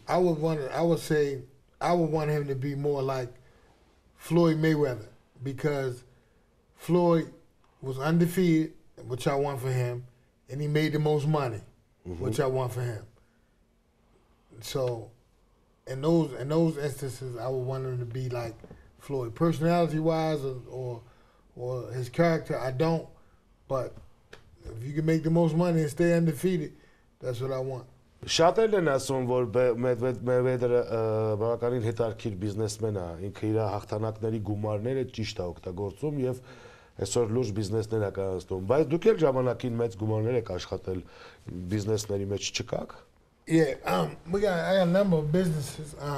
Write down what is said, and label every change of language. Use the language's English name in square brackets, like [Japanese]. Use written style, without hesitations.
[English] I would want him to be more like Floyd Mayweather, because Floyd was undefeated, which I want for him, and he made the most money, mm-hmm. which I want for him. So in those instances, I would want him to be like Floyd. Personality wise or his character, I don't, but if you can make the most money and stay undefeated, that's what I want. [Armenian] Շատ էլ են ասում, որ Մեյվեդերը բավականին հետաքրքիր բիզնեսմեն է, ինքը իր հաղթանակների գումարները ճիշտ է օգտագործում եւ այսօր լուրջ բիզնեսներ է կառուցում, բայց դուք էլ ժամանակին մեծ գումարներ եք աշխատել բիզնեսների մեջ, չկա՞ք։ [English] I got a number of businesses.